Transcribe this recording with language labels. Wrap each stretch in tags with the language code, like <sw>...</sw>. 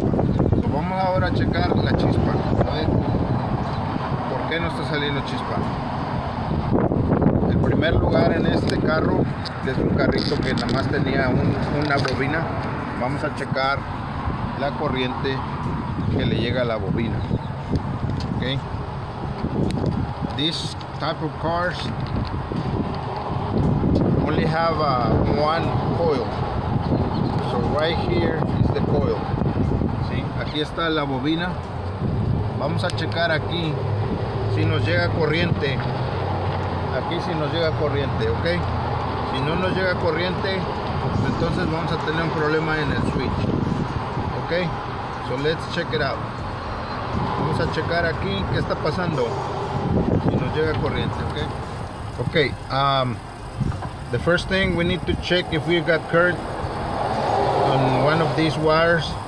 <es>So, vamos ahora a checar la chispa, a ver por qué no está saliendo chispa. En primer lugar, en este carro, es un carrito que nada más tenía una bobina. Vamos a checar la corriente que le llega a la bobina.</es> <en>Okay. This type of cars only have one coil. So right here is the coil. ¿Sí?</en> <es>Aquí está la bobina. Vamos a checar aquí si nos llega corriente. Aquí si nos llega corriente, ok. Si no nos llega corriente, entonces vamos a tener un problema en el switch. Ok.</es> <en>So let's check it out.</en> <es>Vamos a checar aquí qué está pasando si nos llega corriente, ok.</es> <en>Ok, the first thing we need to check if we got current on one of these wires.</en>